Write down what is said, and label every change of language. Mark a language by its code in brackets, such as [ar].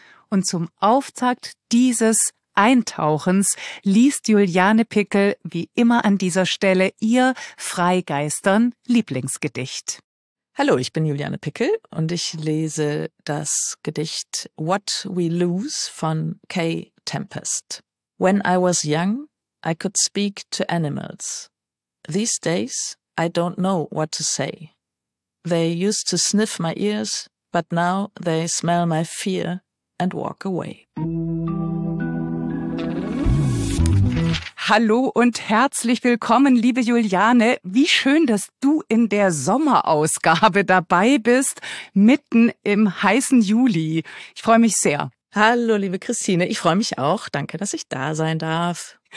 [de] Und zum Auftakt dieses Eintauchens liest Juliane Pickel wie immer an dieser Stelle ihr Freigeistern Lieblingsgedicht. Hallo, ich bin Juliane Pickel und ich lese das Gedicht What We Lose von Kay Tempest. [en] When I was young, I could speak to animals. These days, I don't know what to say. They used to sniff my ears, but now they smell my fear and walk away. [de] Hallo und herzlich willkommen, liebe Juliane. Wie schön, dass du in der Sommerausgabe dabei bist, mitten im heißen Juli. Ich freue mich sehr. Hallo, liebe Christine. Ich freue mich auch. Danke, dass ich da sein darf.